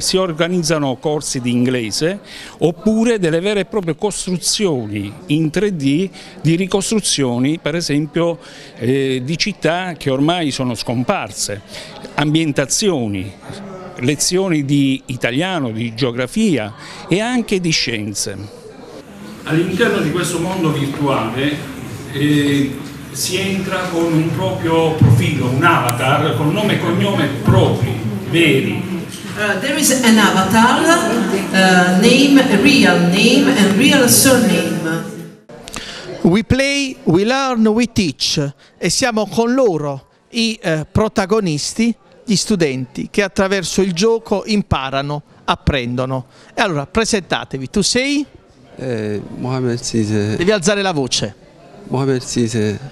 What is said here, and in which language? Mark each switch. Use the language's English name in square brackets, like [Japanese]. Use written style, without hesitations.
[Italian] Si organizzano corsi di inglese oppure delle vere e proprie costruzioni in 3D di ricostruzioni, per esempio di città che ormai sono scomparse, ambientazioni, lezioni di italiano, di geografia e anche di scienze. All'interno di questo mondo virtuale si entra con un proprio profilo, un avatar, con nome e cognome propri, veri. [English] There is an avatar, name, real name and real surname. We play, we learn, we teach. [Italian] E siamo con loro i protagonisti, gli studenti, che attraverso il gioco imparano, apprendono. E allora, presentatevi, tu sei... Mohamed Sise. Devi alzare la voce. Mohamed Sise.